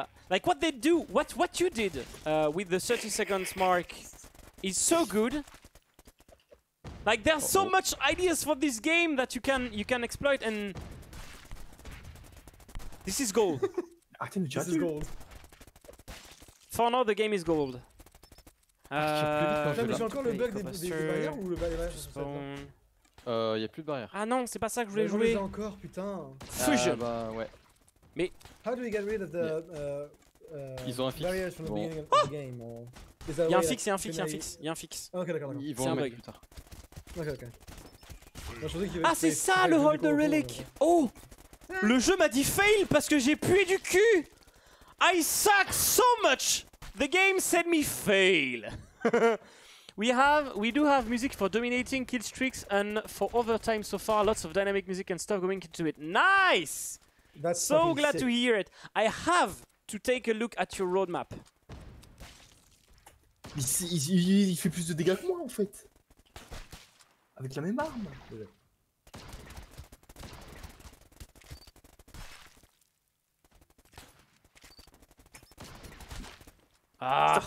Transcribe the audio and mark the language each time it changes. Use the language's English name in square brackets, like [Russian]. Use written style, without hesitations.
[English] Like what they do, what you did with the 30 seconds mark is so good. Like there are so much ideas for this game that you can exploit, and this is gold. I think this is gold. For now, the game is gold. [French] Mais j'ai encore le bug des barrières ou le barrières. Y a plus de barrières. Ah non, c'est pas ça que je voulais jouer. J'en ai encore, putain. [English] Fusion. [French] Bah ouais. Mais [English] how do we get rid of the [French] ils ont un fix. [English] Barriers from the beginning of the game? [French] Il y a un fix, il y a un fix. Oh, ok, d'accord. Ils vont c'est un bug. Plus tard. [English] Okay, okay. [French] Ah, c'est ça le hold the relic. Oh, le jeu m'a dit fail parce que j'ai pué du cul. [English] I suck so much. The game said me fail. We do have music for dominating killstreaks and for overtime so far. Lots of dynamic music and stuff going into it. Nice. That's so glad to hear it. I have to take a look at your roadmap. [French] Mais il fait plus de dégâts que moi en fait. Avec la même arme. Ah,